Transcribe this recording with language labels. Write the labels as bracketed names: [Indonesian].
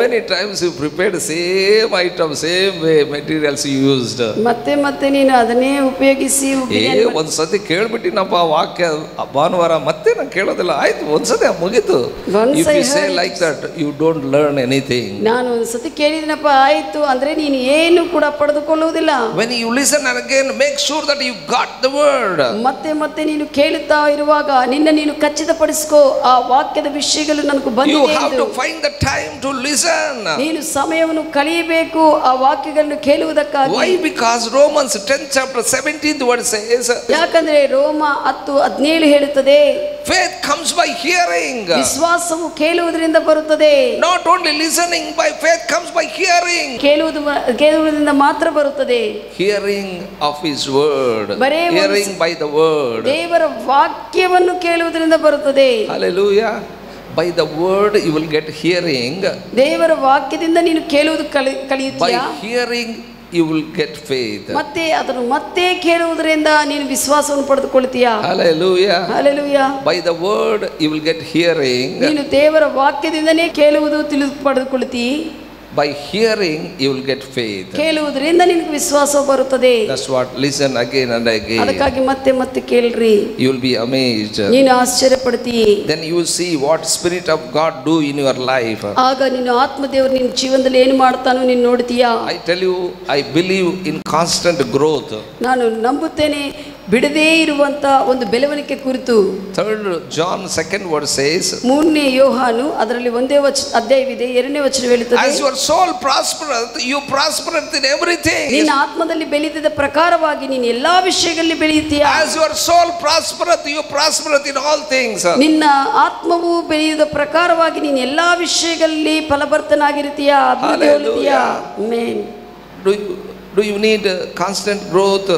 [English] how many times you prepared same item, same way, materials you used. [Kannada] ಮತ್ತೆ ಮತ್ತೆ ನೀನು ಅದನ್ನೇ ಉಪಯೋಗಿಸಿ ಒಂದ್ಸತಿ ಕೇಳ್ಬಿಟ್ಟಿನಪ್ಪ ವಾಕ್ಯ ಭಾನುವಾರ ಮತ್ತೆ ನಾನು ಕೇಳೋದಿಲ್ಲ ಆಯ್ತು ಒಂದ್ಸತಿ ಮುಗಿತು. [English] If you say like that, you don't learn anything. [Kannada] ನಾನು ಒಂದ್ಸತಿ ಕೇಳಿದಿನಪ್ಪ ಆಯ್ತು ಅಂದ್ರೆ ನೀನು ಏನು ಕೂಡ ಪಡೆದುಕೊಳ್ಳುವುದಿಲ್ಲ. [English] When you listen again, make sure that you got the word. [Kannada] ಮತ್ತೆ ಮತ್ತೆ ನೀನು ಕೇಳುತ್ತಾ ಇರುವಾಗ ನಿನ್ನ ನೀನು ಖಚಿತಪಡಿಸಿಕೋ ಆ ವಾಕ್ಯದ ವಿಷಯಗಳು ನನಗೆ ಬಂದಿದೆ. [English] You have to find the time to listen. [Kannada] ನೀನು ಸಮಯವನ್ನು ಕಳೆಯಬೇಕು ಆ ವಾಕ್ಯಗಳನ್ನು ಕೇಳುವುದಕ್ಕಾಗಿ. [English] Why? Because Romans 10 chapter 17th verse says, [Kannada] ಯಾಕಂದ್ರೆ ರೋಮ 10 17 ಹೇಳುತ್ತದೆ, [English] faith comes by hearing. [Kannada] ವಿಶ್ವಾಸವು ಕೇಳುವುದರಿಂದ ಬರುತ್ತದೆ. [English] Not only listening, by faith comes by hearing. [Kannada] ಕೇಳುವುದರಿಂದ ಮಾತ್ರ ಬರುತ್ತದೆ. [English] Hearing of his word. [Kannada] ಬರೇ [English] hearing by the word. [Kannada] ದೇವರ ವಾಕ್ಯವನ್ನು ಕೇಳುವುದರಿಂದ ಬರುತ್ತದೆ. Hallelujah. [English] By the word you will get hearing. [Kannada] ದೇವರ ವಾಕ್ಯದಿಂದ ನೀನು ಕೇಳುವುದು ಕಲಿಯುತ್ತೀಯ. [English] By hearing you will get faith. [Kannada] ಮತ್ತೆ ಅದನ್ನು ಮತ್ತೆ ಕೇಳುವುದರಿಂದ ನೀನು ವಿಶ್ವಾಸವನ್ನು ಪಡೆದುಕೊಳ್ತೀಯ. Hallelujah. Hallelujah. [English] By the word you will get hearing. [Kannada] ನೀನು ದೇವರ ವಾಕ್ಯದಿಂದನೇ ಕೇಳುವುದು ತಿಳಿದು ಪಡೆದುಕೊಳ್ತೀಯ. [English] By hearing you will get faith. [Kannada] ಕೇಳುವುದರಿಂದ ನಿಮಗೆ ವಿಶ್ವಾಸ ಬರುತ್ತದೆ. [English] That's what listen again and again. [Kannada] ಅದಕ್ಕಾಗಿ ಮತ್ತೆ ಮತ್ತೆ ಕೇಳ್ರಿ. [English] You will be amazed. [Kannada] ನೀನು ಆಶ್ಚರ್ಯಪಡ್ತೀಯ. [English] Then you see what spirit of God do in your life. [Kannada] ಆಗ ನೀನು ಆತ್ಮದೇವರು ನಿಮ್ಮ ಜೀವನದಲ್ಲಿ ಏನು ಮಾಡುತ್ತಾನೋ ನೀನು ನೋಡ್ತೀಯ. [English] I tell you, I believe in constant growth. [Kannada] ನಾನು ನಂಬುತ್ತೇನೆ ಬಿಡದೇ ಇರುವಂತ ಒಂದು ಬೆಳವಣಿಗೆ ಕುರಿತು. [English] third John second word says [Kannada] ಮೂರನೇ ಯೋಹಾನು ಅದರಲ್ಲಿ ಒಂದೇ ಅಧ್ಯಾಯವಿದೆ ಎರಡನೇ ವಚನ ಹೇಳುತ್ತದೆ. [English] As your soul prospereth, you prospereth in everything. [Kannada] ನಿನ್ನ ಆತ್ಮದಲ್ಲಿ ಬೆಳೆದಿದ ಪ್ರಕಾರವಾಗಿ ನೀನು ಎಲ್ಲ ವಿಷಯಗಳಲ್ಲಿ ಬೆಳೆಯುತ್ತೀಯ. [English] As your soul prospereth, you prospereth in all things. [Kannada] ನಿನ್ನ ಆತ್ಮವು ಬೆಳೆಯುವ ಪ್ರಕಾರವಾಗಿ ನೀನು ಎಲ್ಲ ವಿಷಯಗಳಲ್ಲಿ ಫಲಭರ್ತನಾಗಿರ್ತೀಯ. Hallelujah. Amen. [English] Do you need constant growth?